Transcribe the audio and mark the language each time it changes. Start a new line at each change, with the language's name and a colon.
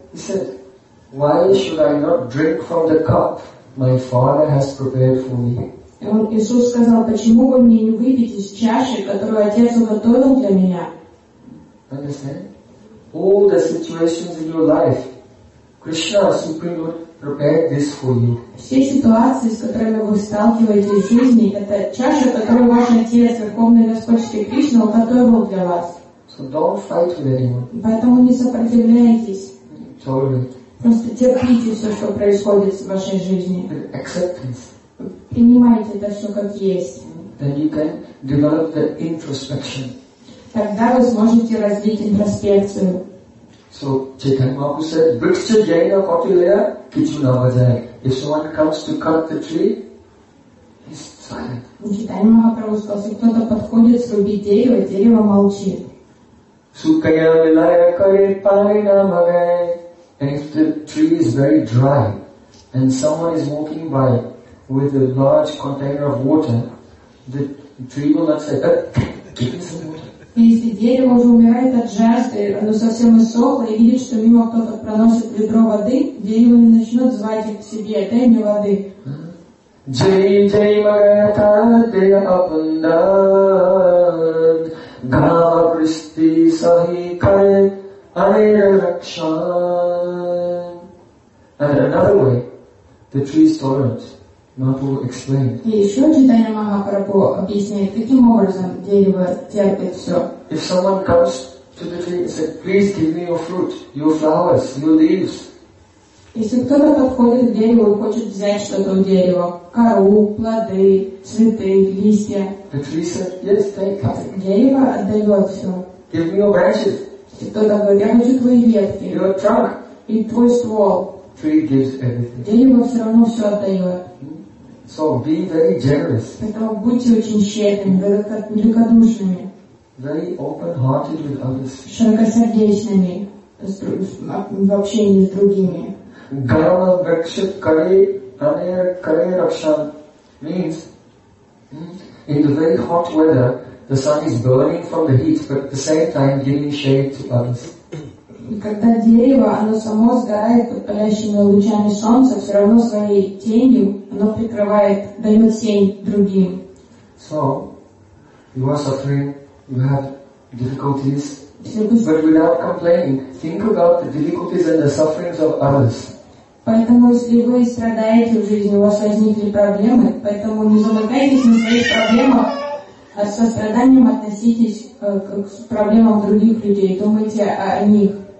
English: He said, "Why should I not drink from the cup my Father has prepared for me?"
Russian: И он, Иисус сказал, почему бы мне не выпить из чаши, которую Отец уготовил для меня?
English: Understand? All the situations in your life, Krishna, Supreme Lord, prepared this for you.
Russian: Все ситуации, с которыми вы сталкиваетесь в жизни, это чаша, которую ваш отец, Верховный Господь Кришна, уготовил для вас.
English: So don't fight with anyone.
Russian: Поэтому не сопротивляйтесь.
English: Totally.
Russian: Просто терпите все, что происходит в вашей жизни.
English: Acceptance.
Russian: Принимайте это все как есть.
English: Then you can develop the introspection.
Russian: Тогда вы сможете развить интроспекцию.
English: So Chaitanya Mahaprabhu said,
Bangla: "Briksha jaina kotileya kichuna vajaye."
English: If someone comes to cut the tree, he's silent.
Russian: Chaitanya Mahaprabhu сказал, если кто-то подходит срубить дерево, дерево молчит.
Bangla: Sukaya vilaya kare paina magaye.
English: And if the tree is very dry, and someone is walking by with a large container of water, the tree will not say, "Give me some water."
Russian: Если дерево уже умирает от жажды, оно совсем иссохло, и видит, что мимо кто-то проносит ведро воды, дерево не начнет звать их к себе, дай мне воды. Джей Джей Магатадея Абандан Гава Кристи Сахикай Айра Ракшан.
English: And another way, the tree's tolerance. Mahaprabhu explained.
Russian: И еще Читание Махапрабху объясняет, каким образом дерево терпит все.
English: If someone comes to the tree and says, "Please give me your fruit, your flowers, your leaves."
Russian: Если кто-то подходит к дереву и хочет взять что-то у дерева, кору, плоды, цветы, листья.
English: The tree said, "Yes, thank you."
Russian: Дерево отдает все.
English: Give me your branches.
Russian: Если кто-то говорит, я хочу твои ветки.
English: Your trunk.
Russian: И твой ствол.
English: Tree gives everything.
Russian: Дерево все равно все отдает.
English: So be very generous.
Russian: Поэтому будьте очень щедрыми, великодушными.
English: Very open-hearted with others.
Russian: Широкосердечными в общении с другими. Гава вакшит каре анер каре ракшан
English: means in the very hot weather the sun is burning from the heat but at the same time giving shade to others.
Russian: И когда дерево, оно само сгорает под палящими лучами солнца, все равно своей тенью оно прикрывает, дает тень другим.
English: So, you are suffering, you have difficulties, but without complaining, think about the difficulties and the sufferings of others.
Russian: Поэтому, если вы страдаете в жизни, у вас возникли проблемы, поэтому не замыкайтесь на своих проблемах, а со страданием относитесь к проблемам других людей, думайте о них.